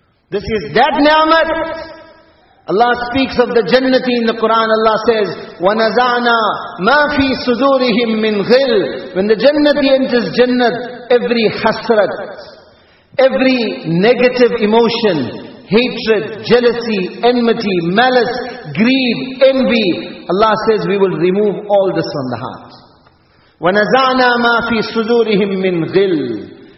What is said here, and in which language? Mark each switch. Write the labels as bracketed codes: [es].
[en] This is that ni'mat. Allah speaks of the jannati in the Quran. Allah says, [ar] وَنَزَعْنَا مَا فِي صُدُورِهِمْ مِنْ غِلْ. [en] When the jannati enters jannat, every hasrat, every negative emotion, hatred, jealousy, enmity, malice, greed, envy, Allah says, we will remove all this from the heart. [ar] وَنَزَعْنَا مَا فِي صُدُورِهِمْ مِنْ غِلْ.